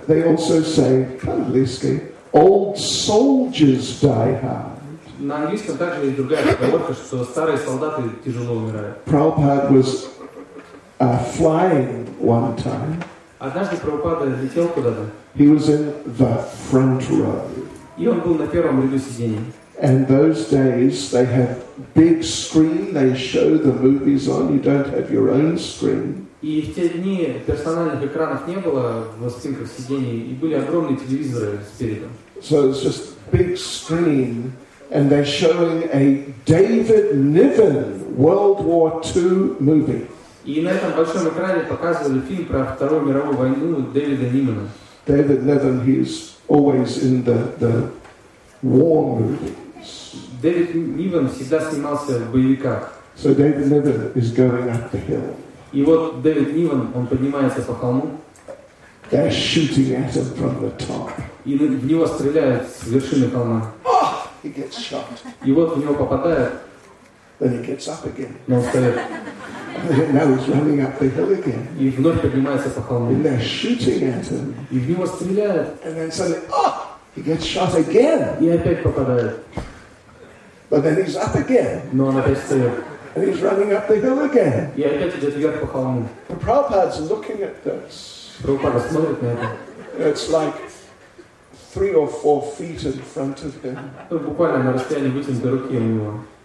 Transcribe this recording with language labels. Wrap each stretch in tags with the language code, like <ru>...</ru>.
<en>They also say,</en> <ru>по-английски,</ru> <en>old soldiers die hard.</en> <ru>На английском также есть другая поговорка, что старые солдаты тяжело умирают.</ru> <en>Prabhupada was flying one time.</en> <ru>Однажды Прабхупада летел куда-то.</ru> <en>He was in the front row.</en> <ru>И он был на первом ряду сидений.</ru> <en>And those days they have big screen, they show the movies on, you don't have your own screen.</en> <ru>И в те дни персональных экранов не было в спинках сидений, и были огромные телевизоры спереди.</ru> <en>So it's just big screen, and they're showing a David Niven World War II movie.</en> <ru>И на этом большом экране показывали фильм про Вторую мировую войну Дэвида Нивена.</ru> <en>David Niven, he's always in the war movies.</en> <ru>David Niven всегда снимался в боевиках.</ru> <en>So David Niven is going up the hill.</en> <ru>И вот David Niven, он поднимается по холму.</ru> <en>They're shooting at him from the top.</en> <ru>И в него стреляют с вершины холма.</ru> <en>Oh, he gets shot.</en> <ru>И вот в него попадает.</ru> <en>Then he gets up again.</en> <ru>Но он стоит.</ru> <en>And now he's running up the hill again.</en> <ru>И вновь поднимается по холму.</ru> <en>And they're shooting at him.</en> <ru>И в него стреляют.</ru> <en>And then suddenly, oh, he gets shot again.</en> <ru>И опять попадает.</ru> <en>But then he's up again.</en> <ru>Но он опять стоит.</ru> <en>And he's running up the hill again.</en> <ru>И опять идет вверх по холму.</ru> <en>The Prabhupada's looking at this.</en> <ru>Прабхупада смотрит на это.</ru> <en>It's like 3 or 4 feet in front of him.</en> <ru>Буквально на расстоянии вытянутой руки у него.</ru>